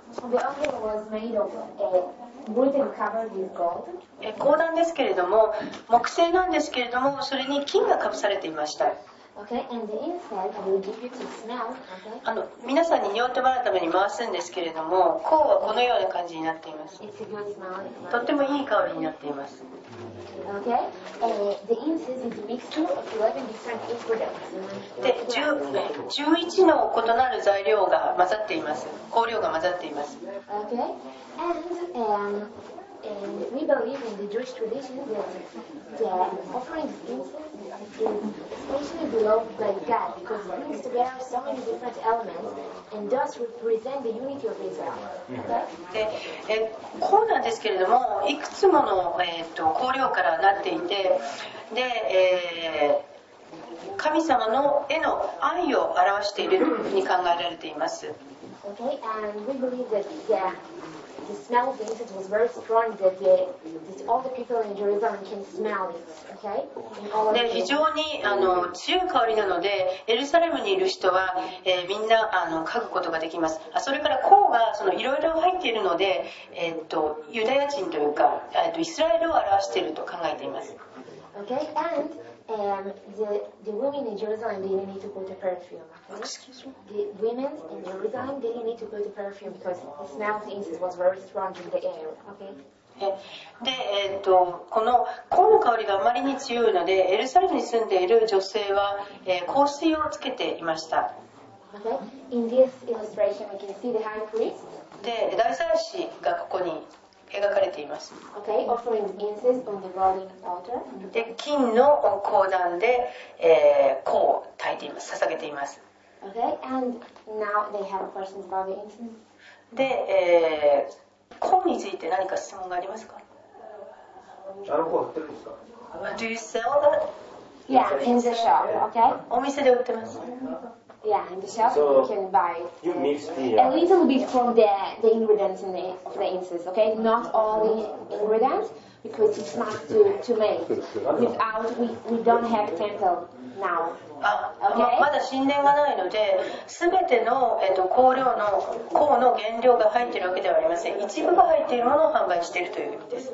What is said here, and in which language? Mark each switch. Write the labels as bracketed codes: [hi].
[en] The altar was made of wooden covered with gold. [ja] 香壇ですけれども木製なんですけれどもそれに金がかぶされていました。 [en] Okay, and the incense will give you to smell. Okay. [ja] 皆さんに匂ってもらうために回すんですけれども、香はこのような感じになっています。 [en] It's a good smell. [ja] とってもいい香りになっています。 [en] Okay. The incense is a mixture of 11 different ingredients. [ja] で、11の異なる材料が混ざっています。香料が混ざっています。 [en] Okay. And we believe in the Jewish tradition that the offering of incense is specially beloved by God because it brings together so many different elements and thus represent the unity of Israel. Okay? [ja] で、こうなんですけれども、いくつもの、香料からなっていて、で、神様のへの愛を表しているというふうに考えられています。 [en] Okay, and we believe that the smell of the incense was very strong that that all the people in Jerusalem can smell it. Okay? [ja] で、非常に強い香りなので、エルサレムにいる人は、みんな嗅ぐことができます。それから香がいろいろ入っているので、ユダヤ人というか、イスラエルを表していると考えています。 [en] Okay, and the women in Jerusalem they need to put a perfume. Excuse me. The women in Jerusalem they need to put a perfume because the smell of incense was very strong in the air. Okay. [ja] で、この香の香りがあまりに強いので、エルサレムに住んでいる女性は、香水をつけていました。 [en] Okay. In this illustration, we can see the high priest. [ja] で、大祭司がここに。描かれています。 [en] Okay, offering incense on the golden altar. [ja] で、金の香壇で、香を焚いています。捧げています。 [en] Okay, and now they have questions about the incense. [ja] で、香について何か質問がありますか？あの香売ってるんですか？ [en] Do you sell that? Yeah, in the shop. Okay. [ja] お店で売ってます。 [en] Yeah, in the shop so, you can buy it. You mixed the, a little bit from the ingredients in of the incense, okay? Not all the ingredients, because it's not to make. Without, we don't have temple now. Okay? [ja] まだ神殿がないので、すべての、香料の香の原料が入っているわけではありません。一部が入っているものを販売しているという意味です。